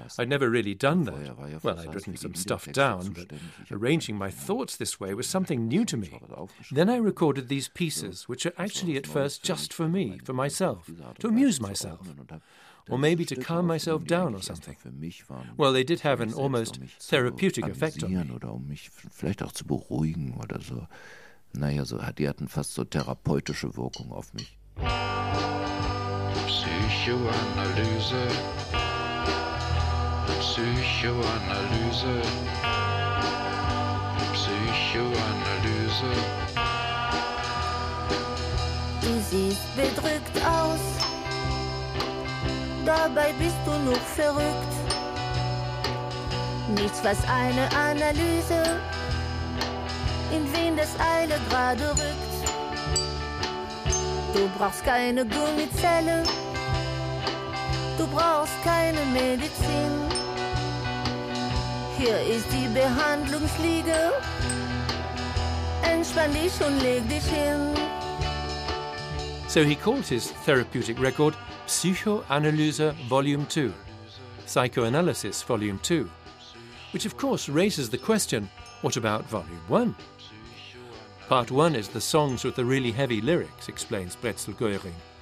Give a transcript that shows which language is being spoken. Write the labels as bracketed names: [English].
[English] I'd never really done that. Well, I'd written some stuff down, but arranging my thoughts this way was something new to me. Then I recorded these pieces, which are actually at first just for me, for myself, to amuse myself, or maybe to calm myself down or something. Well, they did have an almost therapeutic effect on me. [German] Naja, so, die hatten fast so therapeutische Wirkung auf mich. Psychoanalyse, Psychoanalyse, Psychoanalyse. Du siehst bedrückt aus, dabei bist du noch verrückt. Nichts, was eine Analyse in wen das Eile gerade rückt. Du brauchst keine Gummizelle, du brauchst keine Medizin. Hier ist die Behandlungsliege, entspann dich und leg dich hin. [English] So he called his therapeutic record Psychoanalyse Volume 2, Psychoanalysis Volume 2, which of course raises the question, what about Volume 1? Part one is the songs with the really heavy lyrics, explains Brezel Göring.